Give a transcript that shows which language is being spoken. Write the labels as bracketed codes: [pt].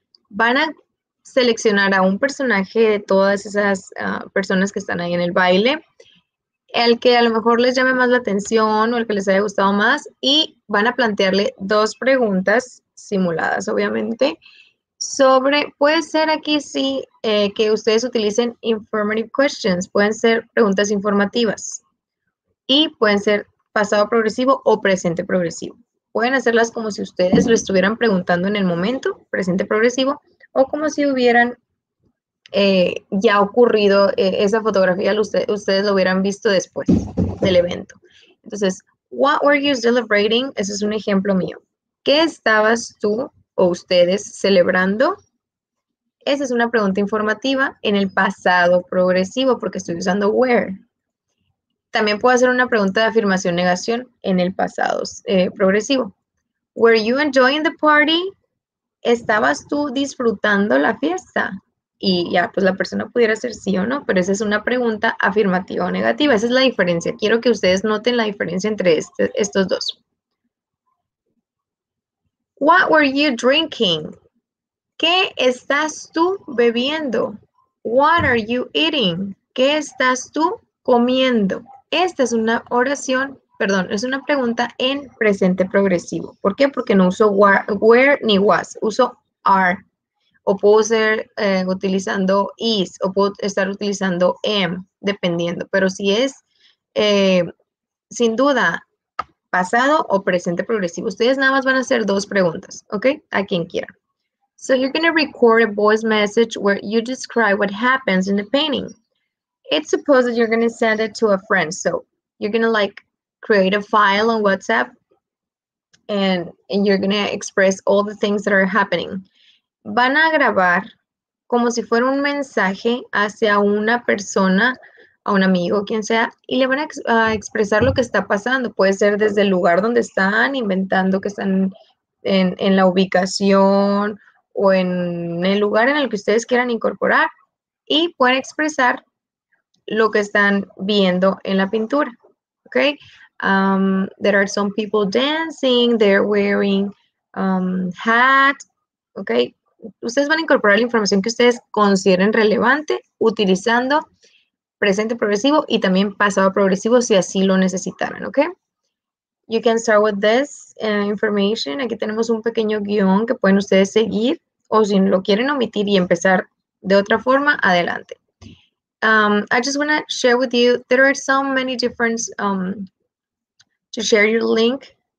[es] Van a seleccionar a un personaje de todas esas personas que están ahí en el baile, el que a lo mejor les llame más la atención o el que les haya gustado más, y van a plantearle dos preguntas simuladas, obviamente, sobre, puede ser aquí sí que ustedes utilicen informative questions, pueden ser preguntas informativas, y pueden ser pasado progresivo o presente progresivo. Pueden hacerlas como si ustedes lo estuvieran preguntando en el momento, presente progresivo, o como si hubieran ya ocurrido esa fotografía, ustedes lo hubieran visto después del evento. [en] Entonces, what were you celebrating? [es] Ese es un ejemplo mío. ¿Qué estabas tú o ustedes celebrando? Esa es una pregunta informativa en el pasado progresivo, porque estoy usando were. También puedo hacer una pregunta de afirmación-negación en el pasado progresivo. [en] Were you enjoying the party? [es] ¿Estabas tú disfrutando la fiesta? Y ya, pues la persona pudiera ser sí o no, pero esa es una pregunta afirmativa o negativa. Esa es la diferencia. Quiero que ustedes noten la diferencia entre estos dos. [en] What were you drinking? [es] ¿Qué estás tú bebiendo? [en] What are you eating? [es] ¿Qué estás tú comiendo? Esta es una oración, perdón, es una pregunta en presente progresivo. ¿Por qué? Porque no uso were ni was, uso are. O puedo ser utilizando is, o puedo estar utilizando am, dependiendo. Pero si es, sin duda, pasado o presente progresivo. Ustedes nada más van a hacer dos preguntas, ¿ok? A quien quiera. [en] So you're going to record a voice message where you describe what happens in the painting. It's supposed that you're going to send it to a friend. So you're going to, like, create a file on WhatsApp and you're going to express all the things that are happening. [es] Van a grabar como si fuera un mensaje hacia una persona, a un amigo, quien sea, y le van a expresar lo que está pasando. Puede ser desde el lugar donde están, inventando que están en la ubicación o en el lugar en el que ustedes quieran incorporar, y pueden expresar lo que están viendo en la pintura. [en] Okay. There are some people dancing, they're wearing hat. Okay. [es] Ustedes van a incorporar la información que ustedes consideren relevante utilizando presente progresivo y también pasado progresivo si así lo necesitaran. [en] Okay. You can start with this information. [es] Aquí tenemos un pequeño guión que pueden ustedes seguir, o si lo quieren omitir y empezar de otra forma, adelante. [en] I just want to share with you, there are so many different, to share your link.